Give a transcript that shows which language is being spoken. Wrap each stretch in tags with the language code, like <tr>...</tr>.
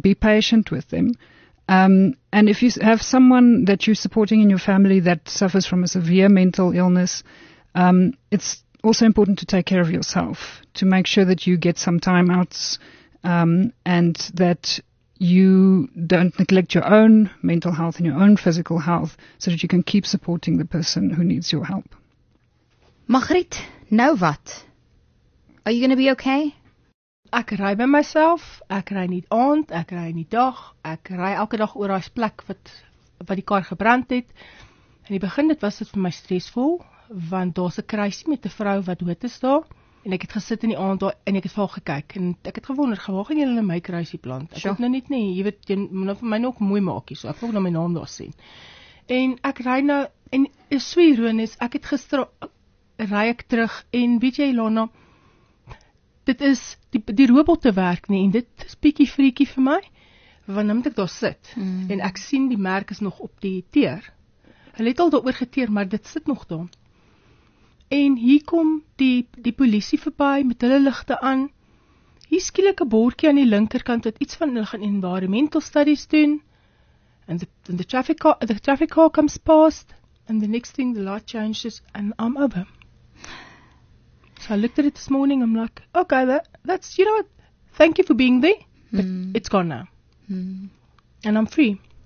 <en>Be patient with them. And if you have someone that you're supporting in your family that suffers from a severe mental illness, it's also important to take care of yourself, to make sure that you get some time outs and that you don't neglect your own mental health and your own physical health so that you can keep supporting the person who needs your help. Margriet,</en> <af>nou wat?</af> <en>Are you going to be okay?</en> <af>Ek ry by myself, ek ry nie aand, ek ry nie dag, ek ry elke dag oor daai plek wat die kar gebrand het. In die begin dit was dit vir my stresvol, want daar's 'n kruisie met 'n vrou wat dood is daar, en ek het gesit in die aand daar en ek het vaal gekyk en ek het gewonder, waar gaan julle nou my kruisie plant? Ek het nou net nie, jy weet, nou vir my nog mooi maak hier, so ek wil nou my naam daar sien. En ek ry nou en is so ironies, ek het gister ry ek terug en weet jy Lana, dit is die robotte werk nie en dit is bietjie vreetjie vir my want nou moet ek daar sit en ek sien die merk is nog op die teer. Hulle het al daaroor geteer maar dit sit nog daar. En hier kom die polisie verby met hulle ligte aan. Hier skielik 'n bordjie aan die linkerkant wat iets van hulle gaan</af> <en>environmental studies</en> <af>doen.</af> <en>And the traffic car comes past and the next thing the light changes and I'm over. So I looked at it this morning, I'm like, okay, that's, you know what, thank you for being there, but it's gone now. And I'm free.</en>